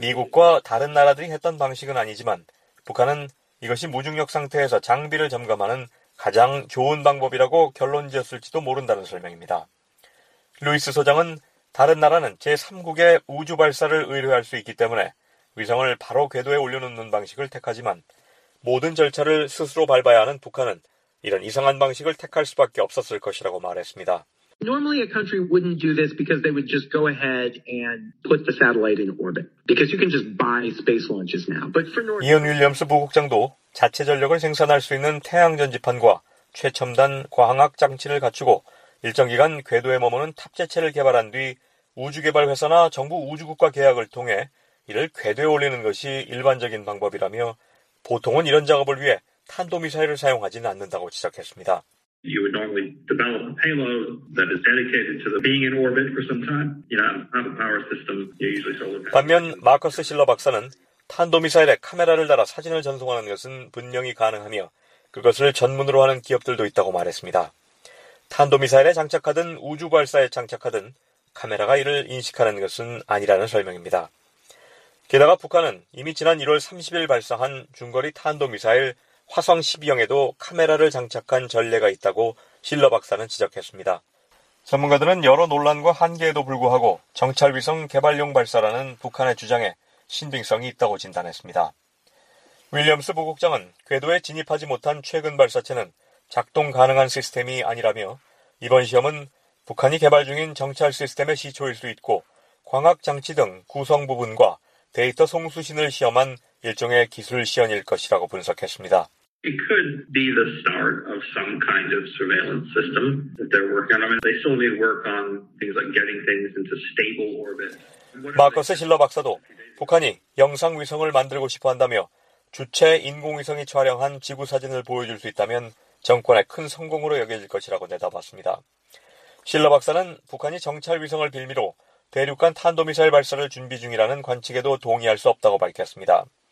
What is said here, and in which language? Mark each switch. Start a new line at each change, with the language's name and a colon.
Korean: 미국과 다른 나라들이 했던 방식은 아니지만 북한은 이것이 무중력 상태에서 장비를 점검하는 가장 좋은 방법이라고 결론 지었을지도 모른다는 설명입니다. 루이스 소장은 다른 나라는 제3국의 우주 발사를 의뢰할 수 있기 때문에 위성을 바로 궤도에 올려놓는 방식을 택하지만 모든 절차를 스스로 밟아야 하는 북한은 이런 이상한 방식을 택할 수밖에 없었을 것이라고 말했습니다.
English: Normally a country wouldn't do this because they would just go ahead and put the satellite in orbit because you can just buy space launches now. But for North
Korean: 이언 윌리엄스 부국장도 자체 전력을 생산할 수 있는 태양 전지판과 최첨단 광학 장치를 갖추고 일정 기간 궤도에 머무는 탑재체를 개발한 뒤 우주 개발 회사나 정부 우주국과 계약을 통해 이를 궤도에 올리는 것이 일반적인 방법이라며 보통은 이런 작업을 위해 탄도미사일을 사용하지는 않는다고 지적했습니다.
English: You would normally develop a payload that is dedicated to the being in orbit for some time. You know, have a power system. You're usually solar powered.
Korean: 반면 마커스 실러 박사는 탄도미사일에 카메라를 달아 사진을 전송하는 것은 분명히 가능하며 그것을 전문으로 하는 기업들도 있다고 말했습니다. 탄도미사일에 장착하든 우주발사에 장착하든 카메라가 이를 인식하는 것은 아니라는 설명입니다. 게다가 북한은 이미 지난 1월 30일 발사한 중거리 탄도미사일 화성 12형에도 카메라를 장착한 전례가 있다고 실러 박사는 지적했습니다. 전문가들은 여러 논란과 한계에도 불구하고 정찰위성 개발용 발사라는 북한의 주장에 신빙성이 있다고 진단했습니다. 윌리엄스 부국장은 궤도에 진입하지 못한 최근 발사체는 작동 가능한 시스템이 아니라며 이번 시험은 북한이 개발 중인 정찰 시스템의 시초일 수 있고 광학 장치 등 구성 부분과 데이터 송수신을 시험한 일종의 기술 시연일 것이라고 분석했습니다.
English: It could be the start of some kind of surveillance system that they're working on. I mean, they still need to work on things like getting things into stable orbit.
Korean: 마커스 실러 박사도 북한이 영상 위성을 만들고 싶어 한다며 주체 인공위성이 촬영한 지구 사진을 보여줄 수 있다면 정권의 큰 성공으로 여겨질 것이라고 내다봤습니다. 실러 박사는 북한이 정찰위성을 빌미로 대륙간 탄도미사일 발사를 준비 중이라는 관측에도 동의할 수 없다고 밝혔습니다.